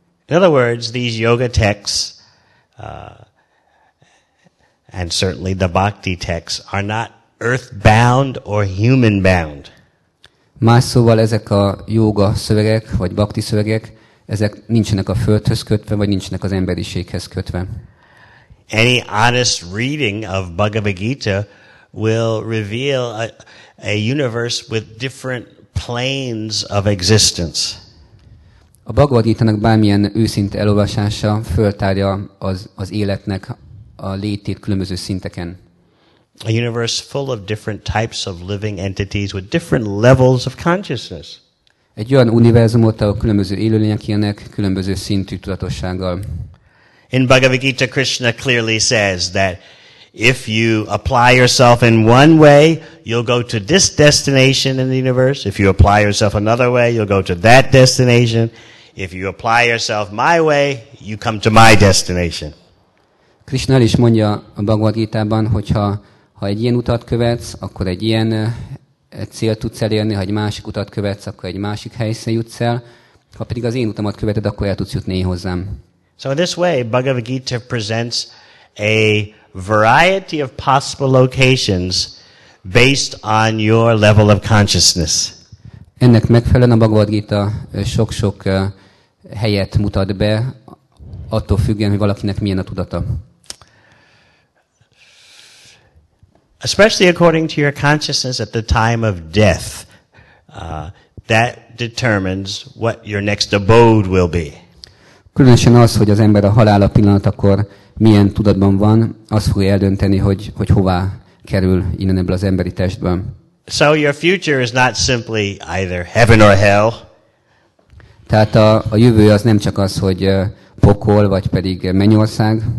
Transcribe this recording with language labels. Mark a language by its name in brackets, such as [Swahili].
[English] In other words, these yoga texts and certainly the bhakti texts are not earthbound or human-bound. [Hungarian] Más szóval ezek a yoga szövegek vagy bhakti szövegek, ezek nincsenek a földhöz kötve, vagy nincsenek az emberiséghez kötve. [English] Any honest reading of Bhagavad Gita will reveal a universe with different planes of existence. [Hungarian] A Bhagavad Gita-nak bármilyen őszinte elolvasása föltárja az életnek a létét különböző szinteken. [English] A universe full of different types of living entities with different levels of consciousness. [Hungarian] Egy olyan univerzumot, ahol különböző élőlények élnek, különböző szintű tudatossággal. [English] In Bhagavad Gita, Krishna clearly says that if you apply yourself in one way, you'll go to this destination in the universe. If you apply yourself another way, you'll go to that destination. If you apply yourself my way, you come to my destination. [Hungarian] Krishna is mondja a Bhagavad Gita-ban, hogyha egy ilyen utat követsz, akkor egy ilyen célt tudsz elérni, ha egy másik utat követsz, akkor egy másik helyszín jutsz el. Ha pedig az én utamat követed, akkor el tudsz jutni én hozzám. [English] So in this way, Bhagavad Gita presents a variety of possible locations based on your level of consciousness. [Hungarian] Ennek megfelelően a Bhagavad Gita sok-sok helyet mutat be, attól függően, hogy valakinek milyen a tudata. [English] Especially according to your consciousness at the time of death, that determines what your next abode will be. [Hungarian] Különösen az, hogy az ember a halála pillanatakor milyen tudatban van, az fogja eldönteni, hogy hová kerül innen ebből az emberi testből. [English] So your future is not simply either heaven or hell. [Hungarian] Tehát a jövő az nem csak az, hogy pokol vagy pedig mennyország.